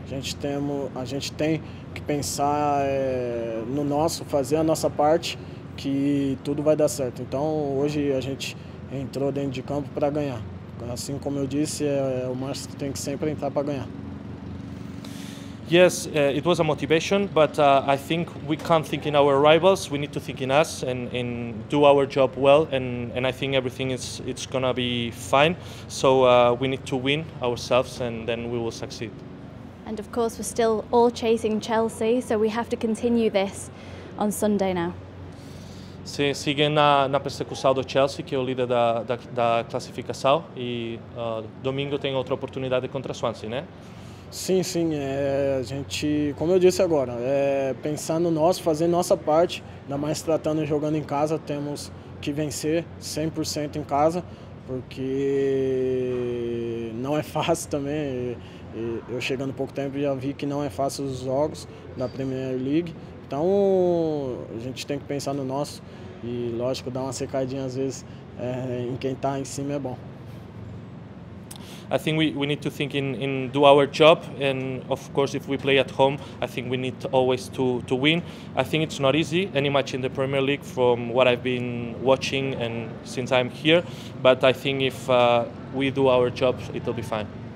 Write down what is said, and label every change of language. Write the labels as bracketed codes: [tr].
[pt] A gente tem que pensar no nosso, fazer a nossa parte, que tudo vai dar certo. Então, hoje a gente entrou dentro de campo para ganhar. Assim como eu disse, o Manchester tem que sempre entrar para ganhar. [en] Yes, it was a motivation, but I think we can't think in our rivals. We need to think in us and do our job well. And I think everything it's gonna be fine. So we need to win ourselves, and then we will succeed. And of course, we're still all chasing Chelsea, so we have to continue this on Sunday now. [pt] Seguem na persecução do Chelsea, que é o líder da classificação, e domingo tem outra oportunidade contra o Swansea, né? Sim. A gente, como eu disse agora, pensar no nosso, fazer nossa parte, ainda mais tratando e jogando em casa, temos que vencer 100% em casa, porque não é fácil também. Eu chegando pouco tempo já vi que não é fácil os jogos da Premier League. Então, a gente tem que pensar no nosso e, lógico, dar uma secadinha às vezes em quem está em cima é bom. [en] I think we need to think in do our job, and of course if we play at home, I think we need always to win. I think it's not easy any match in the Premier League from what I've been watching and since I'm here, but I think if we do our job, it'll be fine.